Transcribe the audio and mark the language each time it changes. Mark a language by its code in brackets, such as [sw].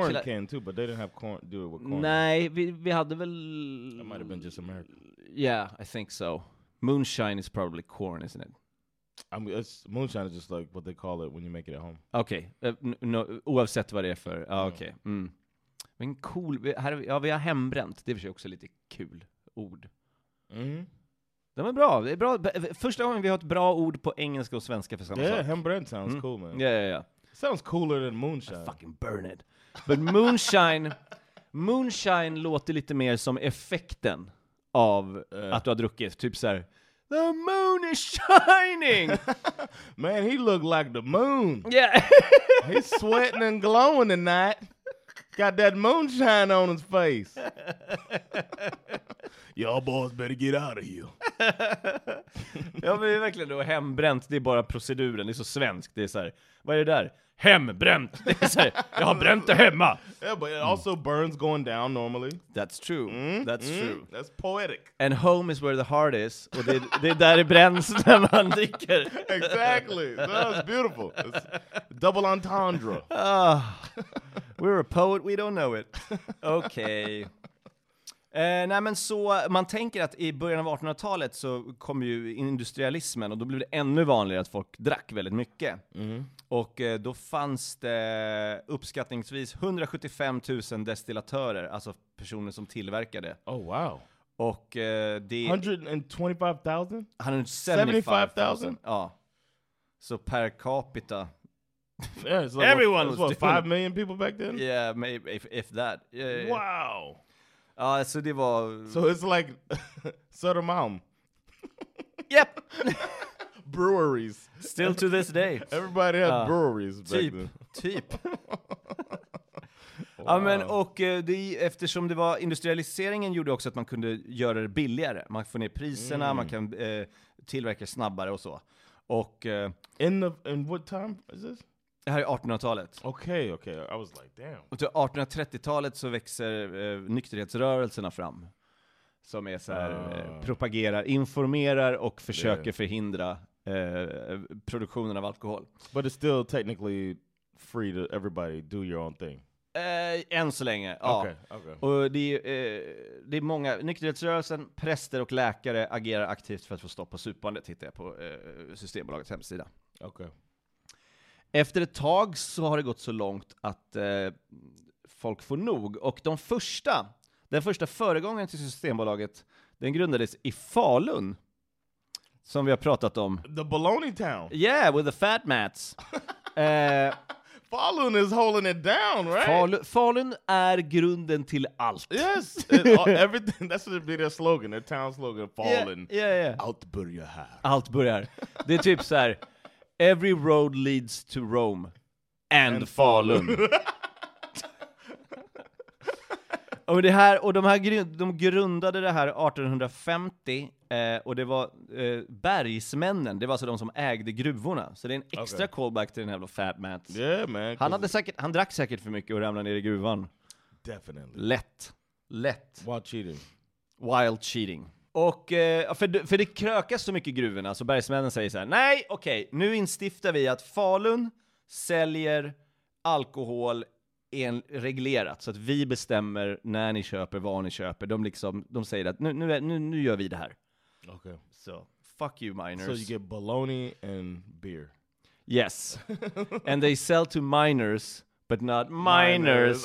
[en] corn can too, but they didn't have corn. Do it with corn. [sv] Nej, vi hade väl... [en] It might have been just American. Yeah, I think so. Moonshine is probably corn, isn't it? I mean, it's, moonshine is just like what they call it when you make it at home. Okay. [sv] No, oavsett vad det är för. Ja, okej. Men cool. Vi har hembränt. Det är också lite kul. Ord. Mm. De är bra. Det är bra. Första gången vi har ett bra ord på engelska och svenska för samma sak. [en] Yeah, hembränt sounds cool, man. Yeah. Sounds cooler than moonshine. I fucking burn it. But moonshine, moonshine [sv] låter lite mer som effekten av att du har druckit. Typ så här, [en] the moon is shining. Man, he looked like the moon. Yeah. He's sweating and glowing tonight. Got that moonshine on his face. Y'all boys better get out of here. [sv] Ja, men det är verkligen då hembränt. Det är bara proceduren. Det är så svenskt. Det är så här, vad är det där? Hembränt. Det är så här, jag har bränt det hemma. [en] Yeah, but it also burns going down normally. That's true. That's true. That's poetic. And home is where the heart is. [sv] Och det är där det bränns när man dricker. [en] Exactly. That's beautiful. It's double entendre. We're a poet, we don't know it. Okay. [sv] Nej, men så man tänker att i början av 1800-talet så kom ju industrialismen och då blev det ännu vanligare att folk drack väldigt mycket. Mm. Och då fanns det uppskattningsvis 175 000 destillatörer, alltså personer som tillverkade. [en] Oh wow. [sv] Och det [en] 125,000? [sv] 175,000? Ja. Så per capita. [en] Yeah, it's like everyone was what, 5 million people back then? Yeah, maybe if that. Yeah. Wow. [sv] Så det var... [en] So it's like Södermalm. Yep. Breweries. Still to this day. Everybody had breweries back [sv] typ, [en] then. [sv] Typ. Wow. Ja, men och det, eftersom det var industrialiseringen gjorde också att man kunde göra det billigare. Man får ner priserna, man kan tillverka snabbare och så. Och, [en] in what time is this? [sv] Det här är 1800-talet. [en] Okej, okay, okej. Okay. I was like, damn. [sv] Och till 1830-talet så växer nykterhetsrörelserna fram. Som är så här, propagerar, informerar och försöker förhindra produktionen av alkohol. [en] But it's still technically free to everybody do your own thing. [sv] Än så länge, ja. [en] Okay, okay. [sv] Och det är många, nykterhetsrörelsen, präster och läkare agerar aktivt för att få stopp på supandet, tittar jag på Systembolagets hemsida. Okej. Okay. Efter ett tag så har det gått så långt att folk får nog. Och de första, den första föregången till Systembolaget, den grundades i Falun. Som vi har pratat om. [en] The baloney town. Yeah, with the fat mats. Falun is holding it down, right? [sv] Falun är grunden till allt. [en] Yes, everything. That's what it be their slogan, their town slogan, Falun. Yeah. [sv] Allt börjar här. Allt börjar. Det är typ så här... [en] Every road leads to Rome and Falun. [sv] Och det här, och de grundade det här 1850 och det var bergsmännen, det var så de som ägde gruvorna. Så det är en extra callback till den här Fat Mats. [en] Yeah, man. [sv] Han hade säkert, han drack säkert för mycket och ramlade ner i gruvan. [en] Definitely. [sv] Lätt. [en] Wild cheating. Wild cheating. [sv] Och för det krökas så mycket gruvorna så bergsmännen säger så här: nej, okej, okay, nu instiftar vi att Falun säljer alkohol reglerat så att vi bestämmer när ni köper, vad ni köper. De liksom, de säger att nu gör vi det här. Okej. [en] Okay. So, fuck you miners. So you get bologna and beer. Yes. And they sell to miners but not miners.